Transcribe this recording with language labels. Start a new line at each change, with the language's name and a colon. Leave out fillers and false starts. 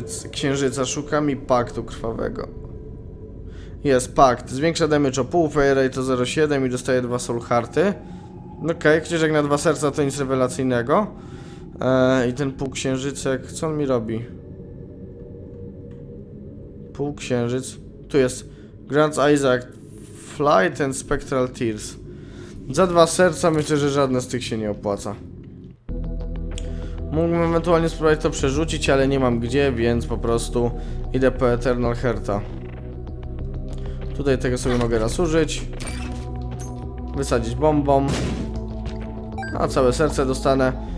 Polish: Księżyca szukam i paktu krwawego. Jest pakt. Zwiększa damage o pół, fire rate to 0,7 i dostaje dwa soul hearty. Okej, okay, chociaż jak na dwa serca to nic rewelacyjnego. I ten półksiężycek, co on mi robi? Półksiężyc. Tu jest.
English: Grants Isaac Flight and Spectral Tears.
Polish: Za dwa serca myślę, że żadne z tych się nie opłaca. Mógłbym ewentualnie spróbować to przerzucić, ale nie mam gdzie, więc po prostu idę po Eternal Hearta. Tutaj tego sobie mogę raz użyć. Wysadzić bombą. A całe serce dostanę.